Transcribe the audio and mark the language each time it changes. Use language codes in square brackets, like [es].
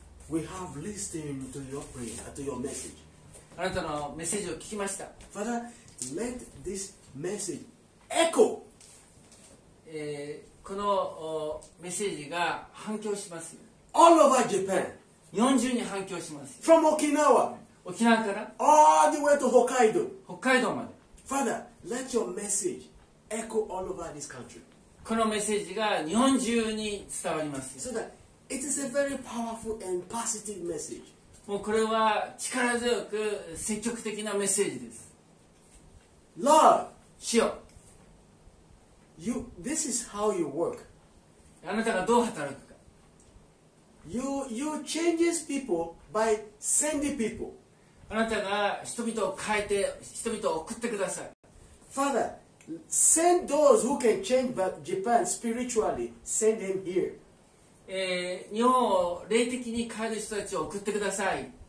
[en] We have listened to your prayer, to your message. [ja] あなたのメッセージを聞きました。 [en] Father, let this message echo. [ja] このメッセージが反響しますよ。 [en] All over Japan, [ja] 日本中に反響します。 [en] From Okinawa, [ja] 沖縄から、 [en] All the way to Hokkaido, [ja] 北海道まで。 [en] Father, let your message echo all over this country. [ja] このメッセージが日本中に伝わります。 [en] So that it is a very powerful and positive message. [ja] もうこれは力強く積極的なメッセージです。 [en] Lord, [ja] 主よ。 [en] You, this is how you work. [ja] あなたがどう働くか。 [en] You change people by sending people. [ja] あなたが人々を変えて人々を送ってください。 [en] Father, send those who can change Japan spiritually, send them here. [ja] 日本を霊的に変える人たちを送ってください。